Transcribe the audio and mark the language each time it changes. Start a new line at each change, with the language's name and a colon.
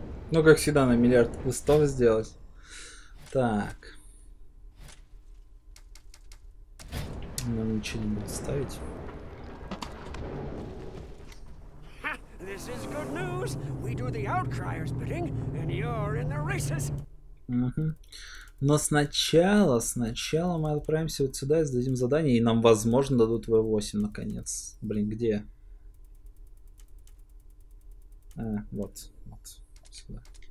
Russian: Ну, как всегда, на миллиард квестов сделать. Так. Нам ничего не будет ставить.
English: This is good news. We do the outcriers bidding, and you're in the races.
Russian: Но сначала мы отправимся вот сюда и сдадим задание, и нам, возможно, дадут V8 наконец. Блин, где? А, вот. Вот. Сюда.